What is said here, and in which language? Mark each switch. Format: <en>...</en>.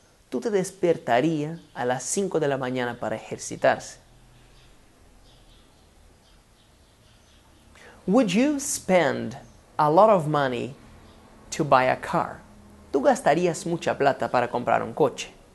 <es>¿Tú te despertarías a las 5 de la mañana para ejercitarse?</es> <en>Would you spend a lot of money to buy a car?</en> <es>¿Tú gastarías mucha plata para comprar un coche?</es>